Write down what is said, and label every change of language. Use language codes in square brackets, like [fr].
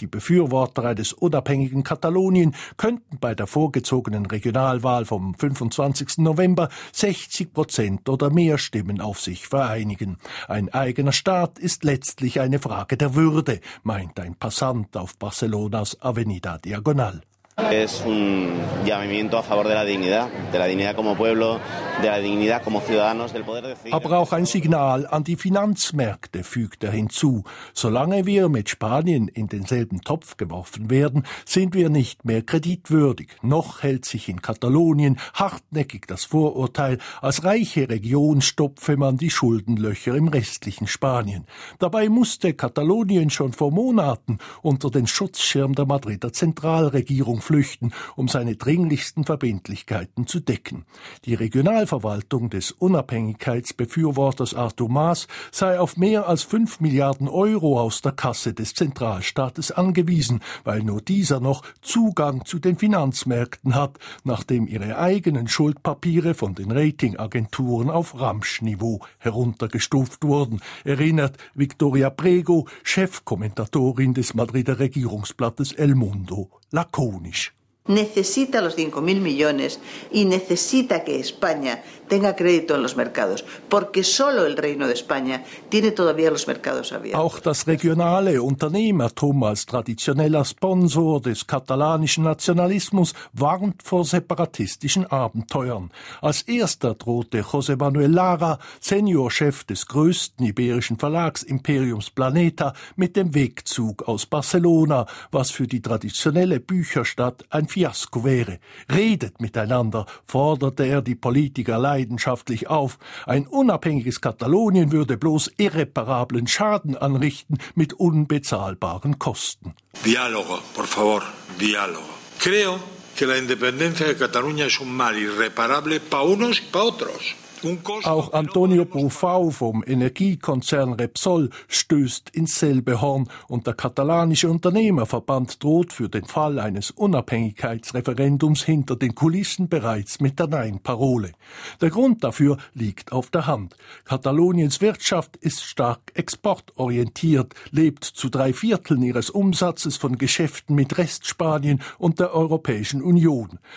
[de] Die Befürworter eines unabhängigen Katalonien könnten bei der vorgezogenen Regionalwahl vom 25. November 60% oder mehr Stimmen auf sich vereinigen. Ein eigener Staat ist letztlich eine Frage der Würde, meint ein Passant auf Barcelonas Avenida Diagonal. [es] Es un llamamiento a favor de la dignidad como pueblo, de la dignidad como ciudadanos, del poder decir. [de] Aber auch ein Signal an die Finanzmärkte, fügt er hinzu. Solange wir mit Spanien in denselben Topf geworfen werden, sind wir nicht mehr kreditwürdig. Noch hält sich in Katalonien hartnäckig das Vorurteil, als reiche Region stopfe man die Schuldenlöcher im restlichen Spanien. Dabei musste Katalonien schon vor Monaten unter den Schutzschirm der Madrider Zentralregierung flüchten, um seine dringlichsten Verbindlichkeiten zu decken. Die Regionalverwaltung des Unabhängigkeitsbefürworters Artur Mas sei auf mehr als 5 Milliarden Euro aus der Kasse des Zentralstaates angewiesen, weil nur dieser noch Zugang zu den Finanzmärkten hat, nachdem ihre eigenen Schuldpapiere von den Ratingagenturen auf Ramschniveau heruntergestuft wurden, erinnert Victoria Prego, Chefkommentatorin des Madrider Regierungsblattes El Mundo. Lakonisch. [es] Necesita los 5.000 millones y necesita que España tenga crédito en los mercados, porque solo el Reino de España tiene todavía los mercados abiertos. [de] Auch das regionale Unternehmertum als traditioneller Sponsor des katalanischen Nationalismus warnt vor separatistischen Abenteuern. Als erster drohte José Manuel Lara, Seniorchef des größten iberischen Verlags Imperiums Planeta, mit dem Wegzug aus Barcelona, was für die traditionelle Bücherstadt ein Fiasko wäre. Redet miteinander, forderte er die Politiker leidenschaftlich auf. Ein unabhängiges Katalonien würde bloß irreparablen Schaden anrichten mit unbezahlbaren Kosten. [es] Dialogo, por favor, dialogo. Creo que la independencia de Cataluña es un mal irreparable para unos y para otros. [de] Auch Antonio Brufau vom Energiekonzern Repsol stößt ins selbe Horn und der katalanische Unternehmerverband droht für den Fall eines Unabhängigkeitsreferendums hinter den Kulissen bereits mit der Nein-Parole. Der Grund dafür liegt auf der Hand. Kataloniens Wirtschaft ist stark exportorientiert, lebt zu 3/4 ihres Umsatzes von Geschäften mit Restspanien und der Europäischen Union.